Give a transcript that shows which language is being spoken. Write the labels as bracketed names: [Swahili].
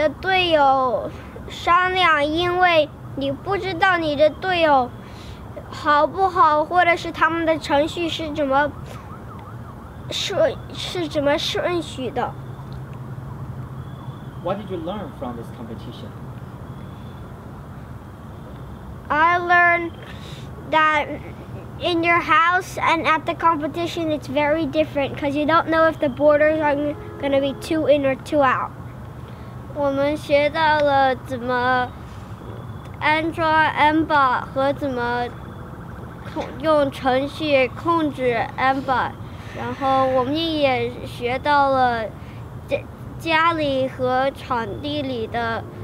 [Chinese] 我觉得最难的地方是跟你的队友商量，因为 你不知道你的队友好不好，或者是他们的程序是怎么顺序的。 [English] What did you learn from this competition? I learned that in your house and at the competition, it's very different because you don't know if the borders are going to be two in or two out. [Chinese] 我们学到了怎么 安装 MBOT 和怎么用程序控制 MBOT， 然后我们也学到了家里和场地里的